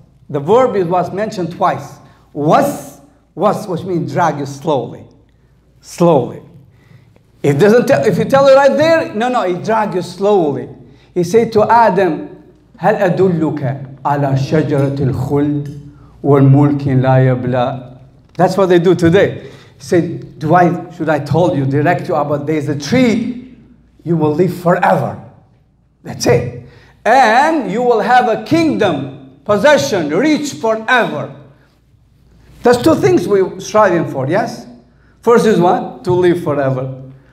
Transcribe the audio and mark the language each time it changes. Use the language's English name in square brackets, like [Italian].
[English] The verb is was mentioned twice. Was, which means drag you slowly. Slowly. It doesn't tell, if you tell it right there, no, it drag you slowly. He said to Adam, [Arabic] هَلْ أَدُلُّكَ عَلَى شَجَرَةِ الْخُلْدِ وَالْمُلْكِ لَا يَبْلَى. [English] That's what they do today. Say, should I tell you, direct you about there's a tree, you will live forever. That's it. And you will have a kingdom, possession, rich forever. There's two things we're striving for, yes? First is what? To live forever.